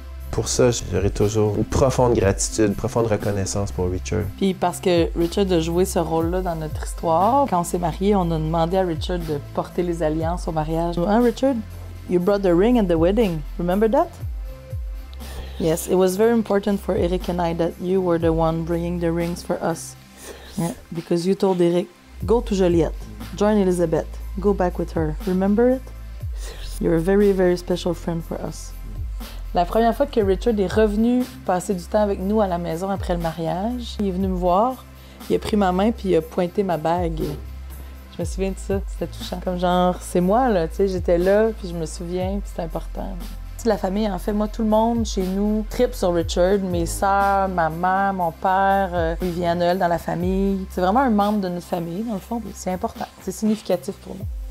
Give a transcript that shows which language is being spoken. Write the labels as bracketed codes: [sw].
[fr] Pour ça, j'aurai toujours une profonde gratitude, une profonde reconnaissance pour Richard. Puis parce que Richard a joué ce rôle-là dans notre histoire, quand on s'est mariés, on a demandé à Richard de porter les alliances au mariage. Hein, Richard? [en] You brought the ring at the wedding. Remember that? Yes, it was very important for Eric and I that you were the one bringing the rings for us. Yeah, because you told Eric, go to Joliette, join Elizabeth. Go back with her. Remember it? You're a very, very special friend for us. [fr] La première fois que Richard est revenu passer du temps avec nous à la maison après le mariage, il est venu me voir, il a pris ma main puis il a pointé ma bague. Je me souviens de ça, c'était touchant. Comme genre, c'est moi là, tu sais, j'étais là puis je me souviens puis c'est important. La famille, en fait, moi, tout le monde chez nous trippe sur Richard. Mes soeurs, ma mère, mon père, il vient à Noël dans la famille. C'est vraiment un membre de notre famille, dans le fond. C'est important. C'est significatif pour nous.